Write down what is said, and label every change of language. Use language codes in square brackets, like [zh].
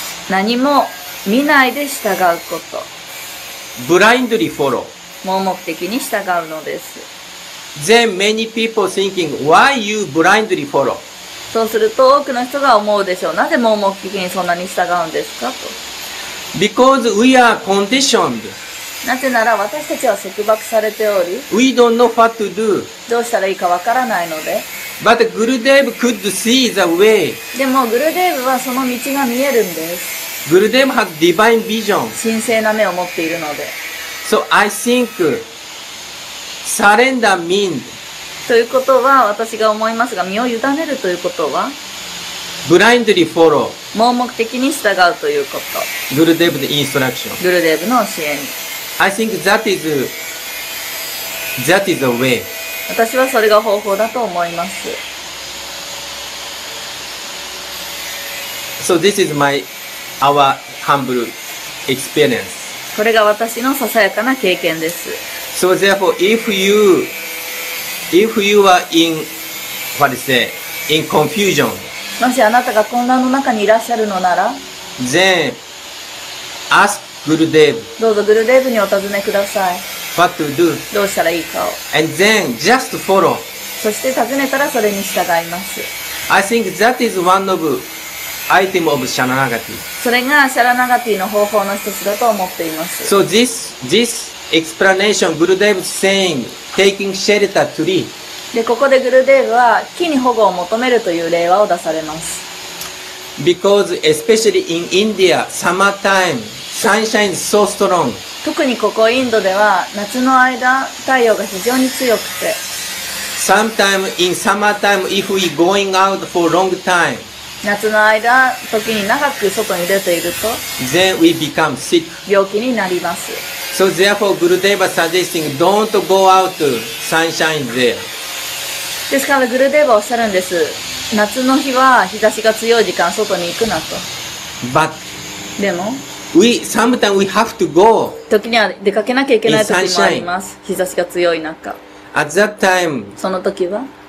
[ja] 何も見ないで従うこと。 [en] blindly follow. [ja] 盲目的に従うのです。 [en] Then many people thinking, why you blindly follow? [ja] そうすると多くの人が思うでしょう。なぜ盲目的にそんなに従うんですかと。 [en] Because we are conditioned. [ja] なぜなら私たちは束縛されており、 [en] we don't know what to do. [ja] どうしたらいいかわからないので。 [en] But Gurudev could see the way. [ja] でもグルデーブはその道が見えるんです。 [en] Gurudev has divine vision. [ja] 神聖な目を持っているので。 [en] So I think surrender means [ja] ということは私が思いますが身を委ねるということは [en] blindly follow [ja] 盲目的に従うということ [en] Gurudev の instruction [ja] Gurudev の教えに [en] I think that is the way [ja] 私はそれが方法だと思います [en] So this is our humble experience [ja] これが私のささやかな経験です。 [en] So therefore, if you are in, what is it, in confusion, [ja] もしあなたが混乱の中にいらっしゃるのなら、 [en] then ask Gurudev. [ja] どうぞ Gurudev にお尋ねください。 [en] What to do? [ja] どうしたらいいかを。 [en] And then just follow. [ja] そして尋ねたらそれに従います。 [en] I think that is one of. アイテムオブシャラナガティ。 [ja] それがシャラナガティの方法の一つだと思っています。 [en] So this explanation, Gurudev is saying, taking shelter tree. [ja] で、ここでグルデーブは木に保護を求めるという令和を出されます。 [en] Because especially in India, summertime, sunshine is so strong. [ja] 特にここインドでは夏の間、太陽が非常に強くて。 [en] Sometime in summertime, if we going out for long time, [ja] 夏の間、時に長く外に出ていると、 [en] Then we become sick. [ja] 病気になります。 [en] So therefore, Gurudev is suggesting, don't go out sunshine there. [ja] ですから、グルデーヴはおっしゃるんです。夏の日は日差しが強い時間、外に行くなと。 [en] But, [ja] でも、 [en] sometimes we have to go. [ja] 時には出かけなきゃいけない時もあります。日差しが強い中。 [en] At that time, [ja] その時は、